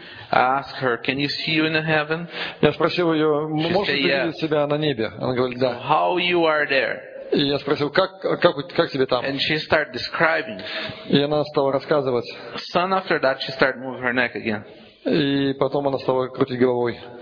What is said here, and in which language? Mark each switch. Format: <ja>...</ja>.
<en>I asked her, can you see you in heaven?</en> <ru>Я спросил ее, можешь ли ты видеть себя на небе? Она говорит, да.</ru> <en>How you are there?</en> <ru>И я спросил, как тебе там?</ru> <en>And she started describing.</en> <ru>И она стала рассказывать.</ru> <en>Soon after that, she started moving her neck again.</en> <ru>И потом она стала крутить головой.</ru>